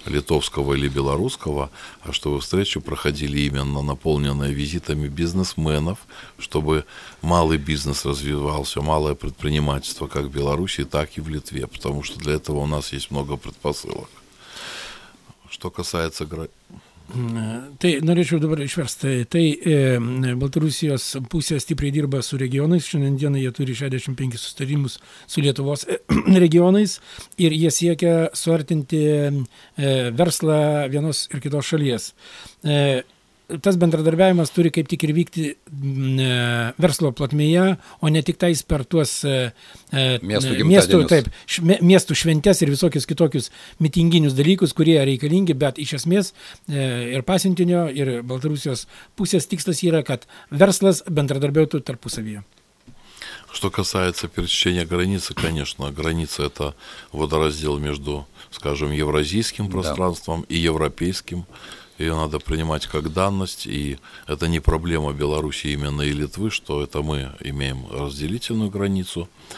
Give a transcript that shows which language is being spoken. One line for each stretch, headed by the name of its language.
Russian: литовского или белорусского, а чтобы встречи проходили именно наполненные визитами бизнесменов, чтобы малый бизнес развивался, малое предпринимательство как в Беларуси, так и в Литве, потому что для этого у нас есть много предпосылок. Что касается...
Lithuanian: Tai norėčiau dabar išversti, tai Baltarusijos pusė stipriai dirba su regionais, šiandien jie turi 65 susitarimus su Lietuvos regionais ir jie siekia suartinti verslą vienos ir kitos šalies. Tas bendradarbiavimas turi kaip tik ir vykti verslo plotmėje, o ne tik tais per tuos miestų šventes ir visokius kitokius mitinginius dalykus, kurie reikalingi, bet iš esmės ir pasiuntinio, ir Baltarusijos pusės tikslas yra, kad verslas bendradarbiautų tarpusavyje.
Russian: Что касается пересечения границы, конечно, граница – это водораздел между, скажем, евразийским пространством, да, и европейским. Ее надо принимать как данность, и это не проблема Беларуси именно и Литвы, что это мы имеем разделительную границу.